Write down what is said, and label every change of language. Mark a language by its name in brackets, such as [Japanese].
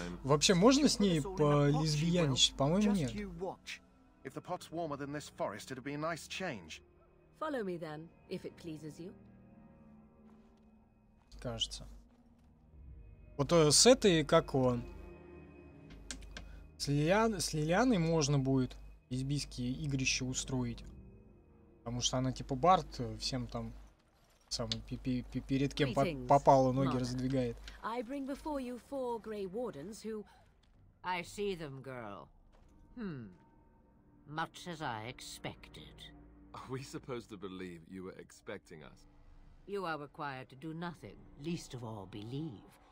[Russian] Вообще можно с ней полезбияничать? По-моему, нет. [English] If the pot's warmer than this forest, it'd be a nice change. Follow me then, if it pleases you. [Russian] Кажется. Вот с этой, как он? С Лилианой можно будет лесбийские игрища устроить. Потому что она типа Барт, всем там... Сам, перед кем попало, ноги раздвигает. [English] I bring before you four Grey Wardens who... I see them, girl. Much as I expected. Are we supposed to believe you were expecting us? You are required to do nothing, least of all believe.